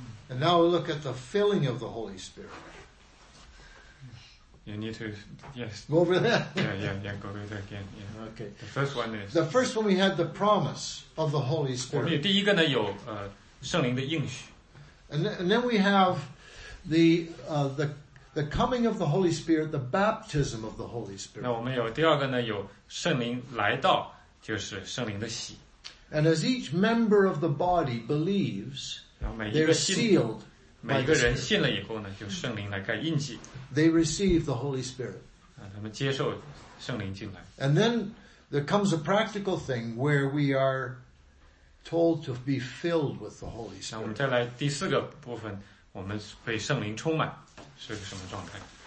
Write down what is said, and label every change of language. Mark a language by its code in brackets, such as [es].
[en] And now we look at the filling of the Holy Spirit. You need to, yes. Go over there. Yeah, go over there again. Yeah, okay. The first one is... The first one, we had the promise of the Holy Spirit. [zh] 我们第一个呢有圣灵的应许。 [en] And then we have the coming of the Holy Spirit, the baptism of the Holy Spirit. [zh] 那我们有第二个呢有圣灵来到，就是圣灵的洗。 [en] And as each member of the body believes, they're sealed. [zh] 每个人信了以后呢，就圣灵来盖印记。 [en] They receive the Holy Spirit. [zh] 他们接受圣灵进来。 [en] And then there comes a practical thing where we are told to be filled with the Holy Spirit. [zh] 那我们再来第四个部分，我们被圣灵充满是个什么状态